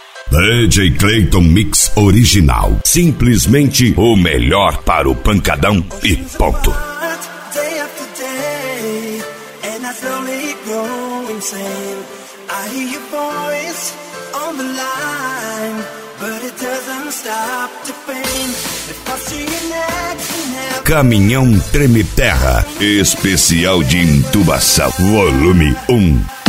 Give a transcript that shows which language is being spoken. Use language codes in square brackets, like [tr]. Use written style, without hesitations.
[pt] DJ Clayton Mix Original, simplesmente o melhor para o pancadão e ponto. [en] Day after day, and I slowly grow insane. I hear your voice on the line, but it doesn't stop the pain. If I see you next, [pt] Caminhão Treme Terra, especial de intubação, volume 1.